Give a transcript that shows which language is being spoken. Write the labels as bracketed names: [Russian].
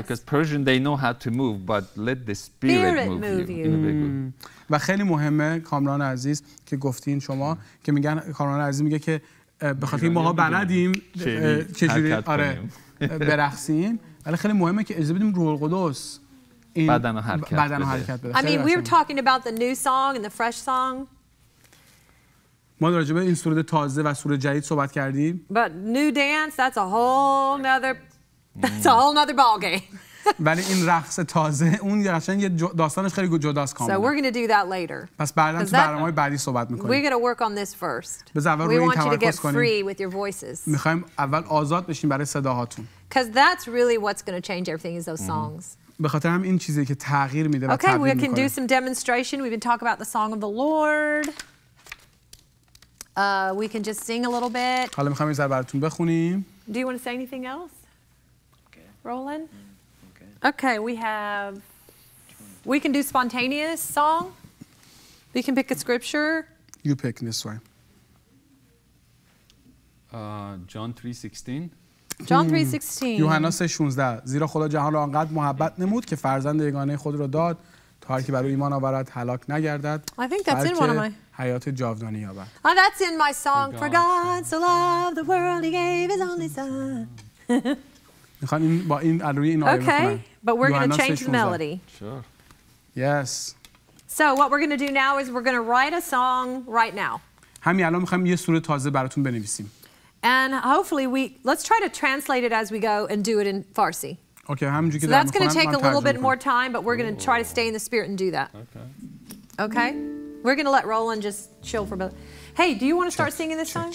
[English] because Persian they know how to move but let the spirit move, move you. [Persian] و خیلی مهمه کامران عزیز که گفتین شما که میگن کامران عزیز میگه که به خاطر ماها بلدیم چجوری آره برقصیم ولی خیلی مهمه که اجازه بدیم روح القدس این بدن حرکت بده. [English] I mean we were talking about the new song and the fresh song. [Persian] ما در رابطه این سرود تازه و سرود جدید صحبت کردیم. [English] But new dance, that's a whole another ball game. [Persian] ولی این رقص تازه اون قشنگ یه داستانش خیلی جداست کاملا. [English] So we're going to do that later. [Persian] پس بعدا تو برنامه‌های بعدی صحبت می‌کنیم. [English] We're going to work on this first. [Persian] بذار روی تمرکز کنیم. [English] Free with your voices. [Persian] می‌خوایم اول آزاد بشیم برای صداهاتون. [English] Cuz that's really what's going to change everything is those songs. [Persian] به خاطر هم این چیزی که تغییر میده و تغییر میکنه. [English] Okay, we can do some demonstration. We've been talking about the song of the Lord. We can just sing a little bit. [Persian] حالا می‌خوام یه ذره براتون بخونیم. [English] Do you want to say anything else? Okay. Roland? Okay, we have, we can do spontaneous song. We can pick a scripture. You pick this way. John 3:16. [Persian] یوحنا 3:16. زیرا خدا جهان را آنقدر محبت نمود که فرزند یگانه خود را داد تا هر کی بر او ایمان آورد هلاک نگردد. [English] I think that's in one of my [Persian] حیات جاودانی یابد. [English] Oh, that's in my song. For God so loved the world he gave his only son. [Persian] میخوام این با این روی این آیه بخونم. [English] Okay, but we're going to change the melody. Sure. Yes. So what we're going to do now is we're going to write a song right now. [Persian] همین الان میخوام یه سوره تازه براتون بنویسیم. [English] And hopefully let's try to translate it as we go and do it in Farsi. [Persian] Okay, همینجوری که دارم. [English] That's going to take a little bit more time, but we're going to try to stay in the spirit and do that. Okay. Okay. We're going to let Roland just chill for a bit. Hey, do you want to start singing this song?